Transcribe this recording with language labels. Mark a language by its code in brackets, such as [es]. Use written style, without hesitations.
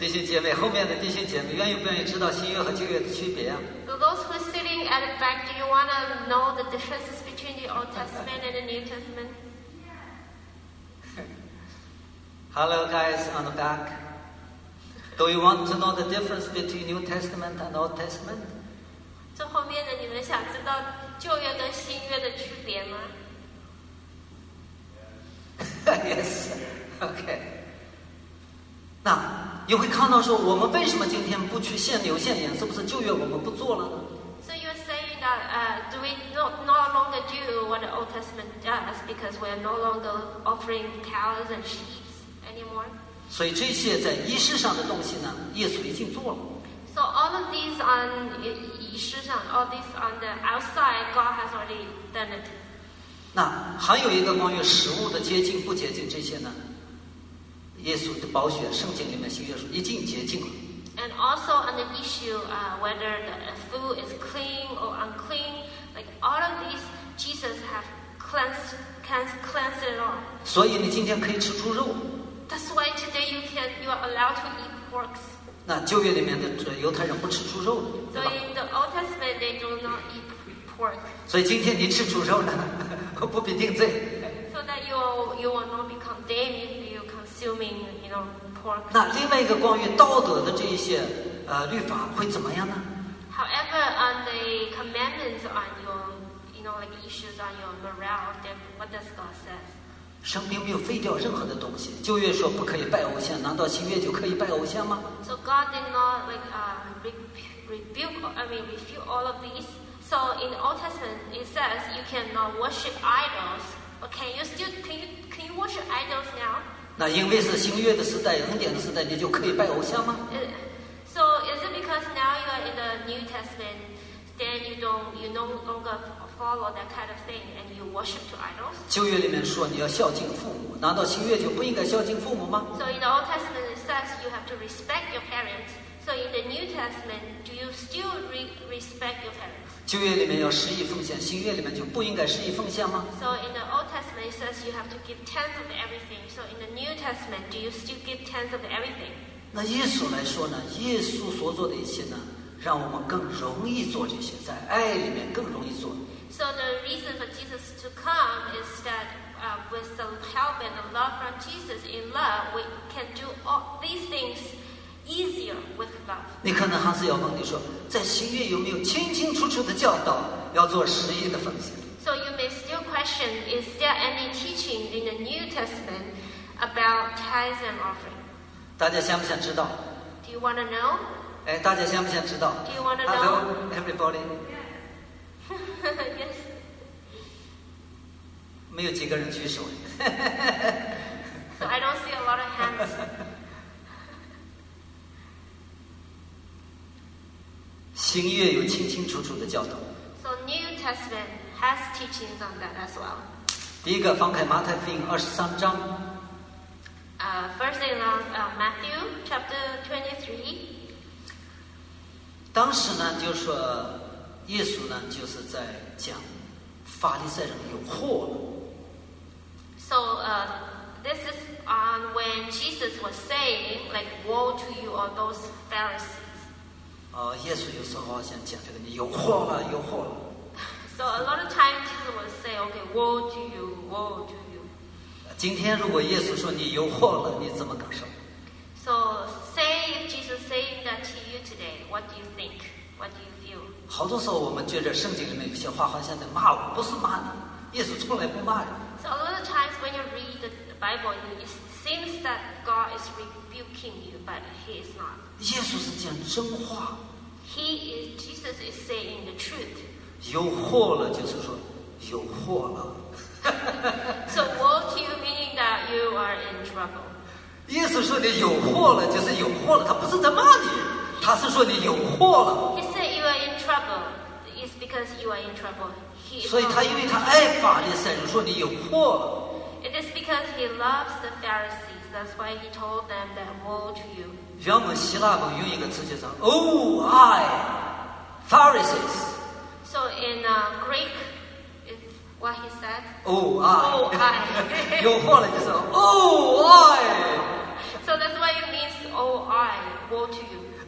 [zh] 弟兄姐妹，后面的弟兄姐妹，愿意不愿意知道新约和旧约的区别啊？ [en] So those who are sitting at the back, do you want to know the differences between the Old Testament and the New Testament? Yeah. Hello, guys on the back. Do you want to know the difference between New Testament and Old Testament? [zh] 这后面的你们想知道旧约跟新约的区别吗？ [en] Yes, OK. [zh] 那你会看到说，我们为什么今天不去献牛献羊？是不是旧约我们不做了呢 [en] ？So you're saying that do we no longer do what the Old Testament does because we're no longer offering cows and sheep anymore? [zh] 所以这些在仪式上的东西呢，耶稣已经做了。 [en] So all of these on [zh] 仪式上 [en] all these on the outside, God has already done it. [zh] 那还有一个关于食物的洁净不洁净这些呢？耶稣的宝血，圣经里面新约说已经洁净了。 [en] And also on the issue, whether the food is clean or unclean, like all of these, Jesus have cleansed it all. [zh] 所以你今天可以吃猪肉。 [en] That's why today you are allowed to eat pork. [zh] 那旧约里面的犹太人不吃猪肉的，对吧？所以 [en] the Old Testament they do not eat pork. [zh] 所以今天你吃猪肉呢，不必定罪。 [en] So that you will not be condemned if you consuming, you know, pork. [zh] 那另外一个关于道德的这一些律法会怎么样呢 [en] ？However, on the commandments on your, you know, like issues on your morale, what does God say? [zh] 神并没有废掉任何的东西。旧约说不可以拜偶像，难道新约就可以拜偶像吗 [en] ？So God did not like refute all of these. So in Old Testament it says you cannot worship idols. But can you worship idols now? [zh] 那因为是新约的时代，恩典的时代，你就可以拜偶像吗 [en] ？So is it because now you are in the New Testament, then you no longer follow that kind of thing and you worship to idols? [zh] 旧约里面说你要孝敬父母，难道新约就不应该孝敬父母吗 [en] ？So in the Old Testament it says you have to respect your parents. So in the New Testament, do you still respect your parents? [zh] 旧约里面要十亿奉献，新约里面就不应该十亿奉献吗 [en] ？So in the Old Testament it says you have to give tenth of everything. So in the New Testament, do you still give tenth of everything? [zh] 那耶稣来说呢？耶稣所做的一切呢？让我们更容易做这些，在爱里面更容易做。 [en] So the reason for Jesus to come is that, with the help and the love from Jesus in love, we can do all these things easier with love. [zh] 你看到哈斯要问你说，在新约有没有清清楚楚的教导要做十一的奉献 [en] ？So you may still question, is there any teaching in the New Testament about tithes and offering? [zh] 大家想不想知道 [en] ？Do you want to know? [zh] 哎，大家想不想知道 [en] ？Do you want to know? Hello, everybody. Yes. [zh] 没有几个人举手。 [en] So I don't see a lot of hands. [zh] 新约有清清楚楚的教导。 [en] So New Testament has teachings on that as well. [zh] 第一个，翻开马太福音二十三章。 [en] First in Matthew chapter 23. [zh] 当时呢，就说。耶稣呢，就是在讲法利赛人有祸了。 [en] So, this is on when Jesus was saying, like, woe to you, all those Pharisees. [zh] 耶稣有时候想讲这个，你有祸了，有祸了。 [en] So a lot of times Jesus would say, okay, woe to you, woe to you. [zh] 今天如果耶稣说你有祸了，你怎么感受 [en] ？So say if Jesus saying that to you today, what do you think? What do you? [zh] 好多时候我们觉得圣经里面有些话好像在骂我，不是骂你，耶稣从来不骂人。 [en] So a lot of times when you read the Bible, it seems that God is rebuking you, but He is not. [zh] 耶稣是讲真话。 [en] He is Jesus is saying the truth. [zh] 有祸了，就是说有祸了。 [en] So woe to you, meaning that you are in trouble. [zh] 耶稣说你有祸了，就是有祸了，他不是在骂你。他是说你有祸了。 [en] He said you are in trouble. It's because you are in trouble. He. [zh] 所以他因为他爱法利赛人，说你有祸了。 [en] It is because he loves the Pharisees. That's why he told them that woe to you. [zh] 原本希腊文用一个词就是 [en] "Oh, I, Pharisees." So in Greek, it's what he said. Oh, I. Oh, I. [zh] 有祸了就是 [en] Oh, I. So that's why it means Oh, I, woe to you.